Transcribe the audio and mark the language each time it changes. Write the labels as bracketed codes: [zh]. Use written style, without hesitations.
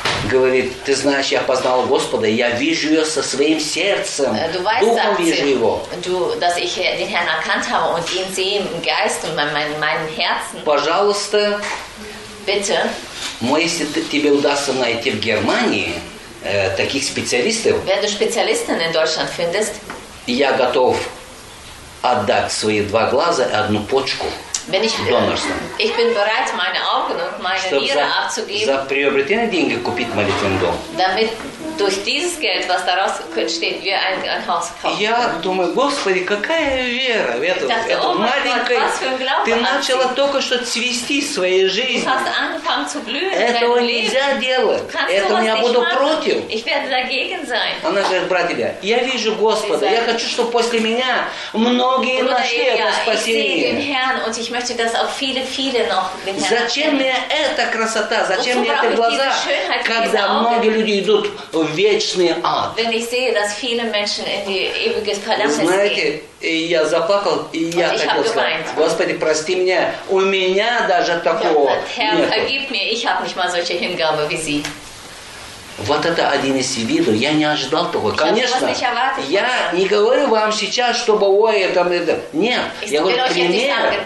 [ru] Говорит, ты знаешь, я познал Господа, я вижу ее со своим сердцем. Духом вижу его. [de] Dass ich den Herrn erkannt habe und ihn sehe im Geist und meinem Herzen. [ru] Пожалуйста. [de] Bitte. [ru] Но если тебе удастся найти в Германии таких специалистов, [de] wenn du Spezialisten in Deutschland findest, [ru] я готов отдать свои два глаза и одну почку. [de] Wenn ich bin bereit, meine Augen und meine Niere abzugeben, [ru] за приобретенные деньги купить молитвенный дом. [de] Damit durch dieses Geld, was daraus entsteht, wir ein Haus kaufen. [ru] Я думаю, Господи, какая вера в эту маленькую. [de] Was für ein Glaube. [ru] Ты начала только что цвести своей жизнью. [de] Du hast angefangen zu blühen. [ru] Этого нельзя делать. Этого я буду против. [de] Ich werde dagegen sein. [ru] Она говорит, братья, я вижу Господа. Я хочу, чтобы после меня многие нашли это спасение. [de] Ich möchte, dass auch viele, viele noch mit [ru] Зачем мне эта красота? Зачем мне эти глаза? Когда многие люди идут в вечный ад. [de] Wenn ich sehe, dass viele Menschen in die ewige Verdammnis gehen. [ru] Знаете, я заплакал, и я хотел сказать, Господи, прости меня, у меня даже такого нет. [de] Herr, vergib mir, ich habe nicht mal solche Hingabe wie Sie. [ru] Вот это один из видов. Я не ожидал такого. Конечно, я не говорю вам сейчас, чтобы ой, это. Нет, я говорю, пример.